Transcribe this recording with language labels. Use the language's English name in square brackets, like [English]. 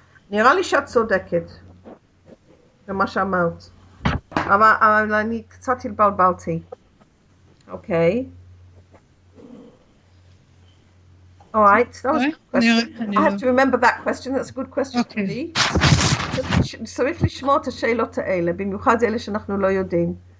[Hebrew] נראה לי שאת צודקת במה שאמרת, אבל אני קצת התבלבלתי. אוקיי. [English] All right, that was a question. I have to remember that question. That's a good question to me. [Hebrew] צריך לשמור את השאלות האלה, במיוחד אלה שאנחנו לא יודעים.